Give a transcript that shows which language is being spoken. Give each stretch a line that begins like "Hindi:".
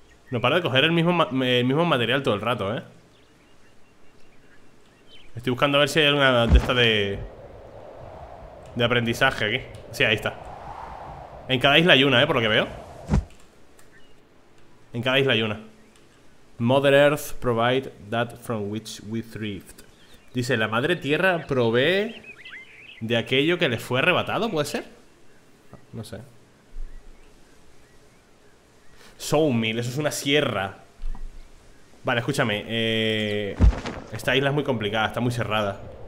Spanish: No para de coger el mismo material todo el rato, ¿eh? Estoy buscando a ver si hay alguna de estas de aprendizaje aquí. Sí, ahí está. En cada isla hay una, por lo que veo. En cada isla hay una.
English: Mother Earth provide that from which we thrived.
Spanish: Dice, la madre tierra provee de aquello que le fue arrebatado, ¿puede ser? No sé. Sawmill, eso es una sierra. Vale, escúchame. Esta isla es muy complicada, está muy cerrada.